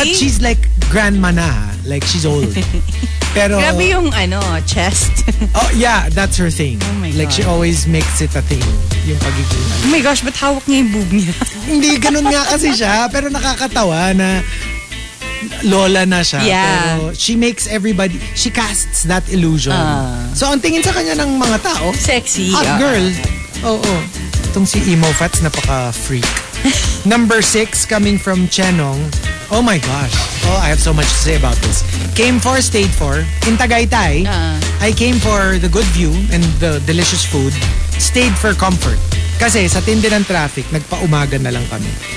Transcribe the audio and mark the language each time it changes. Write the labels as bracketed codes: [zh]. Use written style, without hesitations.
[en] But she's like, grandma na. Like, she's old. [tl] Pero, grabe yung, ano, chest. [en] Oh, yeah. That's her thing. Oh, my God. Like, she always makes it a thing. [tl] Yung pagiging. [en] Oh, my gosh. [tl] Ba't hawak niya yung boob niya? Hindi, ganun nga kasi siya. Pero nakakatawa na lola na siya. [en] Yeah. [tl] Pero [en] she makes everybody, she casts that illusion. [tl] So, ang tingin sa kanya ng mga tao, [en] sexy. Hot girl. [tl] Oh. Itong si Emo Fats, napaka-freak. [en] Number 6, coming from Chenong. Oh my gosh. Oh, I have so much to say about this. Came for, stayed for. In Tagaytay, I came for the good view and the delicious food. Stayed for comfort. [tl] Kasi sa tindi ng traffic, nagpa-umaga na lang kami.